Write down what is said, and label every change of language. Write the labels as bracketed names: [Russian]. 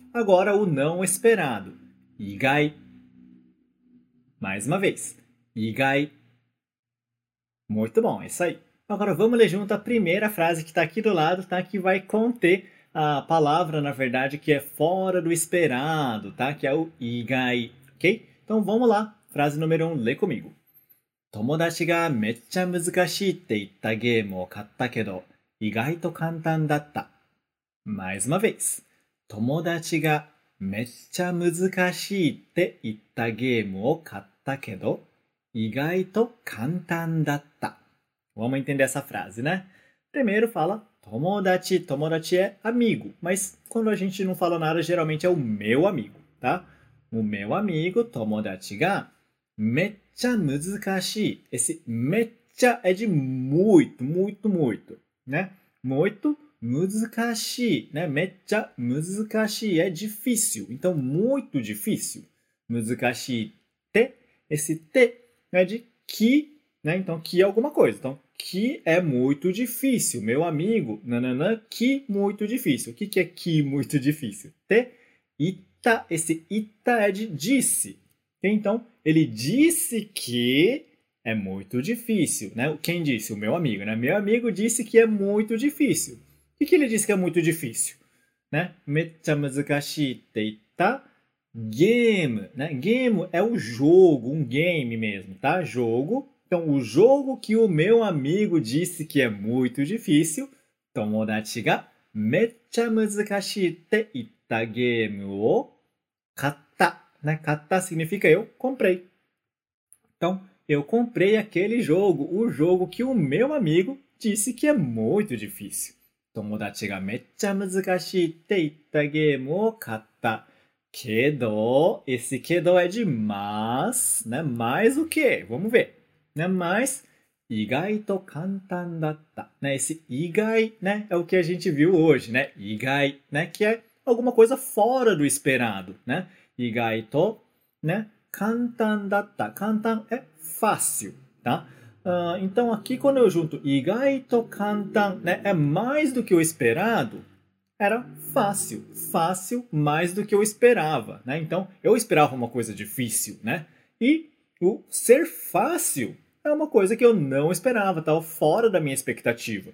[Portuguese] Agora o não esperado. Igai. Mais uma vez. Igai. Muito bom, é isso aí. Agora vamos ler junto a primeira frase que está aqui do lado, tá? Que vai conter a palavra, na verdade, que é fora do esperado, tá? Que é o igai, ok? Então vamos lá, frase número 1, lê comigo. [Japanese] 友達がめっちゃ難しいって言ったゲームを買ったけど、意外と簡単だった。 [Portuguese] Mais uma vez。 [Japanese] 友達がめっちゃ難しいって言ったゲームを買ったけど、意外と簡単だった。 [Portuguese] Vamos entender essa frase, né? Primeiro fala 友達。 友達é amigo, mas quando a gente não fala nada, geralmente é o meu amigo, tá? O meu amigo, 友達, [Japanese] がめっちゃ難しい。 [Portuguese] Esse めっちゃé de muito, muito, muito, né? Muito 難しい, né? めっちゃ難しい é difícil. Então, muito difícil. 難しいって、esse て é de que, né? Então, que é alguma coisa. Então, que é muito difícil. Meu amigo, nananã, que muito difícil. O que que é que muito difícil? Te, e tá, esse ita é de disse. Então, ele disse que é muito difícil, né? Quem disse? O meu amigo, né? Meu amigo disse que é muito difícil. O que que ele disse que é muito difícil? Né? [Japanese] Mecha muzukashii te itta game, [Portuguese] né? Game é o jogo, um game mesmo, tá? Jogo. Então, o jogo que o meu amigo disse que é muito difícil, [Japanese] tomodachi ga mecha muzukashii te itta game o kata, [Portuguese] né? Kata significa eu comprei. Então, eu comprei aquele jogo, o jogo que o meu amigo disse que é muito difícil. [Japanese] 友達がめっちゃ難しいって言ったゲームを買った。 [Portuguese] けど、esse けど é de mas, né? Mais o quê? Vamos ver. Né? [Japanese] Mas,意外と簡単だった。 [Portuguese] Né? Esse 意外、né? É o que a gente viu hoje, né? 意外、né? Que é alguma coisa fora do esperado, né? 意外と、né? [Japanese] 簡単だった。 [Portuguese] 簡単é fácil, tá? Então, aqui quando eu junto [Japanese] igaito kantan, [Portuguese] né, é mais do que o esperado, era fácil. Fácil mais do que eu esperava, né? Então, eu esperava uma coisa difícil, né? E o ser fácil é uma coisa que eu não esperava, estava fora da minha expectativa.